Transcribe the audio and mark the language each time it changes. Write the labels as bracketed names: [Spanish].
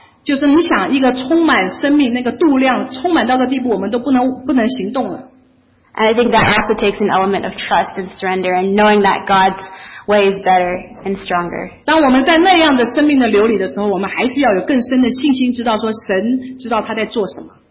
[Chinese] 就是你想一个充满生命，那个度量充满到的地步，我们都不能行动了。 [English] I think that also takes an element of trust and surrender, and knowing that God's way is better and stronger. [Chinese] 当我们在那样的生命的流里的时候，我们还是要有更深的信心，知道说神知道他在做什么。